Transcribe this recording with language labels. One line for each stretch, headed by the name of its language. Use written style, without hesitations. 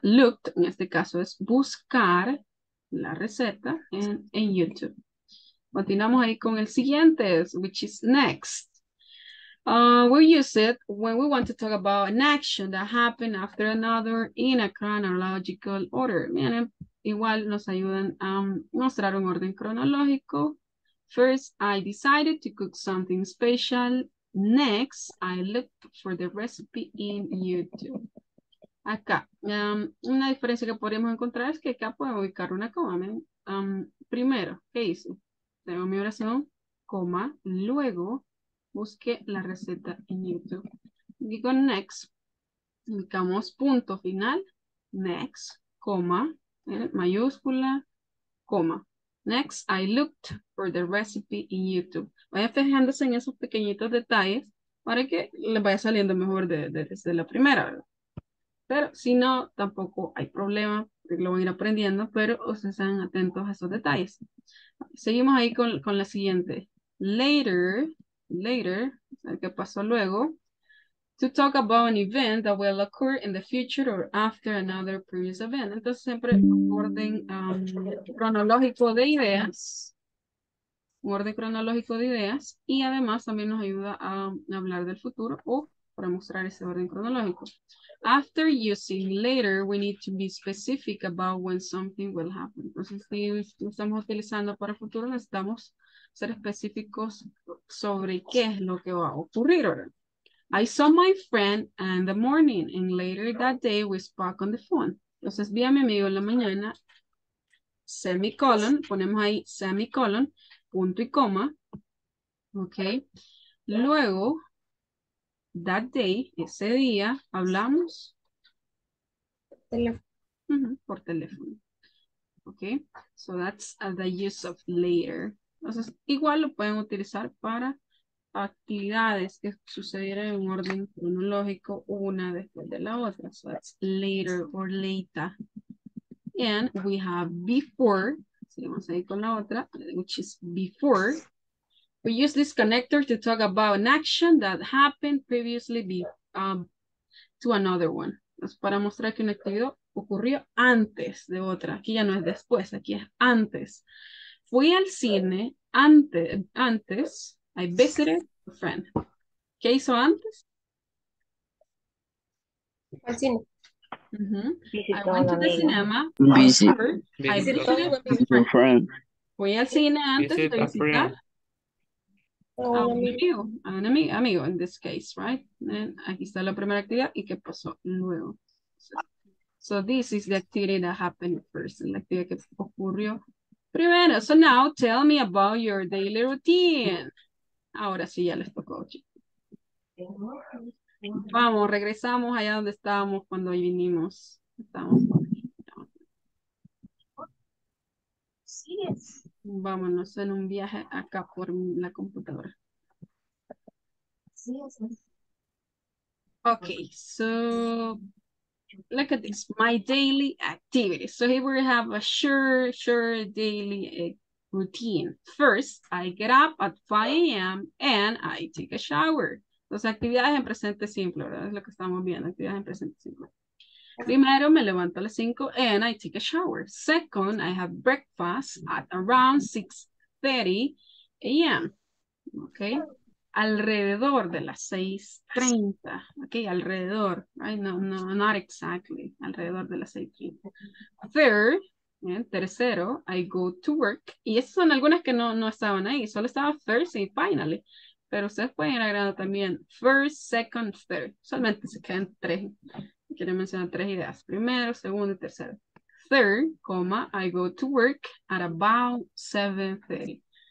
Spanish: Looked, en este caso, es buscar la receta en YouTube. Continuamos ahí con el siguiente,
English: which is next. We use it when we want to talk about an action that happened after another in a chronological order.
Spanish: Miren, igual nos ayudan a mostrar un orden cronológico.
English: First, I decided to cook something special. Next, I looked for the recipe in YouTube.
Spanish: Acá, una diferencia que podríamos encontrar es que acá puedo ubicar una coma. Miren, primero, ¿qué hice? Tengo mi oración, coma, luego... Busque la receta en YouTube. Digo next. Indicamos punto final. Next, coma, mayúscula, coma.
English: Next, I looked for the recipe in YouTube.
Spanish: Vaya fijándose en esos pequeñitos detalles para que le vaya saliendo mejor desde la primera, ¿verdad? Pero si no, tampoco hay problema. Lo voy a ir aprendiendo, pero ustedes sean atentos a esos detalles. Seguimos ahí con la siguiente. Later...
English: later,
Spanish: el que pasó luego,
English: to talk about an event that will occur in the future or after another previous event.
Spanish: Entonces, siempre orden cronológico de ideas. Un orden cronológico de ideas. Y además, también nos ayuda a hablar del futuro o para mostrar ese orden cronológico.
English: After using later, we need to be specific about when something will happen.
Spanish: Entonces, si estamos utilizando para futuro, necesitamos ser específicos sobre qué es lo que va a ocurrir ahora.
English: I saw my friend in the morning, and later that day we spoke on the phone.
Spanish: Entonces, vi a mi amigo en la mañana, semicolon, ponemos ahí semicolon, punto y coma, ok. Luego,
English: that day,
Spanish: ese día, hablamos por teléfono, ok.
English: So that's the use of later.
Spanish: Entonces, igual lo pueden utilizar para actividades que sucedieron en un orden cronológico una después de la otra.
English: So that's later or later. And we have before.
Spanish: Seguimos ahí con la otra,
English: which is before. We use this connector to talk about an action that happened previously to another one.
Spanish: Es para mostrar que un activo ocurrió antes de otra. Aquí ya no es después, aquí es antes. Fui al cine antes.
English: I visited a friend.
Spanish: ¿Qué hizo antes? Al cine.
English: Mm-hmm. I went to the cinema. Visited a friend.
Spanish: Fui al cine antes de visitar a un amigo,
English: in this case, right?
Spanish: And aquí está la primera actividad. ¿Y qué pasó luego?
English: So this is the activity that happened first.
Spanish: La actividad que ocurrió primero.
English: So now tell me about your daily routine.
Spanish: Ahora sí, ya les tocó, chicos. Vamos, regresamos allá donde estábamos cuando hoy vinimos. Estamos por aquí. Vámonos en un viaje acá por la computadora.
English: Ok, so look at this, my daily activity. So here we have a sure daily activity. Routine. First, I get up at 5 a.m. and I take a shower.
Spanish: Entonces, actividades en presente simple, ¿verdad? Es lo que estamos viendo, actividades en presente simple. Primero, me levanto a las 5
English: and I take a shower. Second, I have breakfast at around 6:30 a.m. Okay?
Spanish: Alrededor de las 6:30. Okay, alrededor. Right?
English: No, not exactly.
Spanish: Alrededor de las 6:30.
English: Third,
Spanish: bien, tercero,
English: I go to work.
Spanish: Y esas son algunas que no estaban ahí. Solo estaba first y finally. Pero ustedes pueden ir agregando también first, second, third. Solamente se quedan tres. Quiero mencionar tres ideas. Primero, segundo y tercero.
English: Third, comma, I go to work at about 7:30.